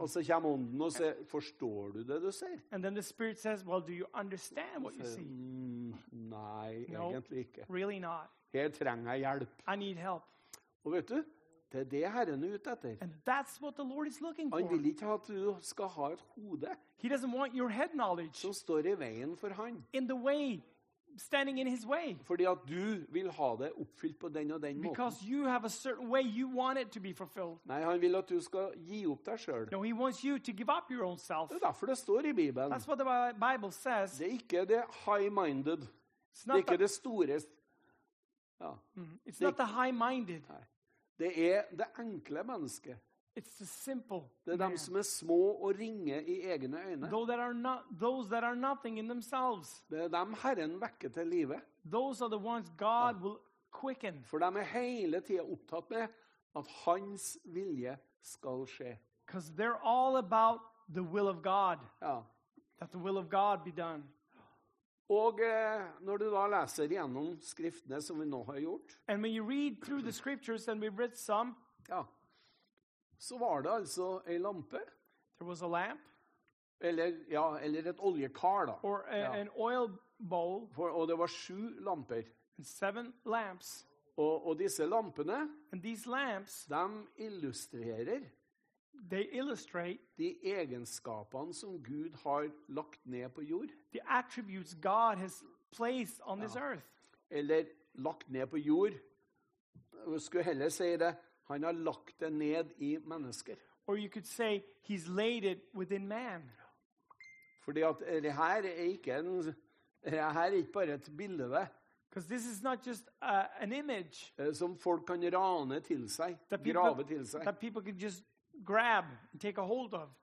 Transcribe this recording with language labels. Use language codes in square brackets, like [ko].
[no] Og så kommer ånden og sier, forstår du det du ser? [en] And then the Spirit says, well, do you understand what you see? [no] Nei, egentlig ikke. [en] No, really not. [no] Her trenger jeg hjelp. [en] I need help. [no] Og vet du, det er det Herren er ute etter. [en] And that's what the Lord is looking for. [no] Han vil ikke at du skal ha et hode. [en] He doesn't want your head knowledge. [no] Som står i veien for han. [en] In the way, standing in his way. [no] Fordi at du vil ha det oppfylt på den og den måten. [en] Because you have a certain way you want it to be fulfilled. [no] Nei, han vil at du skal gi opp deg selv. [en] No, he wants you to give up your own self. [no] Det er derfor det står i Bibelen. [en] That's what the Bible says. [no] Det er ikke det high-minded. Det er ikke det store. Ja. [en] It's not the high-minded. [no] Nei. Det er det enkle mennesket. [en] It's the simple. [no] Det er dem som er små og ringe i egne øyne. [en] Those that are nothing in themselves. [no] Det er dem Herren vekker til livet. [en] Those are the ones God will quicken. [no] For de er hele tiden opptatt med at hans vilje skal skje. [en] Because they're all about the will of God. [no] Ja. [en] That the will of God be done. [no] Og når du da leser gjennom skriftene som vi nå har gjort. [en] And when you read through the scriptures and we've read some. [no] Ja. Så var det altså en lampe. [en] There was a lamp. [no] Eller et oljekar da. [en] Or an oil bowl. [no] Og det var 7 lamper. [en] And 7 lamps. [no] Og disse lampene. [en] And these lamps. [no] De illustrerer. [en] They illustrate [no] de egenskapene som Gud har lagt ned på jord. [en] The attributes God has placed on this earth. [no] Eller lagt ned på jord. Jeg skulle heller si det. Han har lagt det ned i mennesker. [en] Or you could say he's laid it within man. [no] Fordi at det her er ikke en, det her er ikke bare et bilde. [en] Because this is not just an image [no] som folk kan rane til seg, grave til seg. [en] That people can just grab and take a hold of.